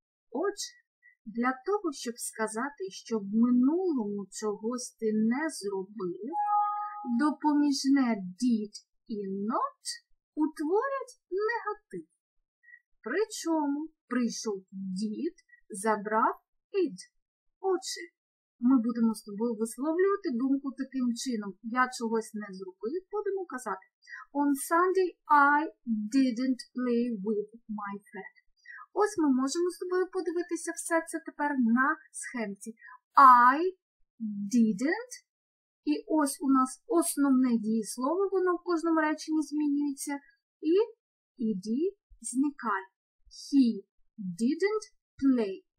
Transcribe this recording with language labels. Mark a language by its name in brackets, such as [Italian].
[Ukrainian] Отже, для того, щоб сказати, що в минулому чогось ти не зробив, допоміжне did і not утворять негатив. Причому прийшов did, забрав id. Отже, ми будемо з тобою висловлювати думку таким чином. Я чогось не зробив, будемо казати. [English] On Sunday I didn't play with my friend. [Ukrainian] Ось ми можемо з тобою подивитися все це тепер на схемці. [English] I didn't. [Ukrainian] І ось у нас основне дієслово, воно в кожному реченні змінюється. І ed зникає. [English] He didn't play.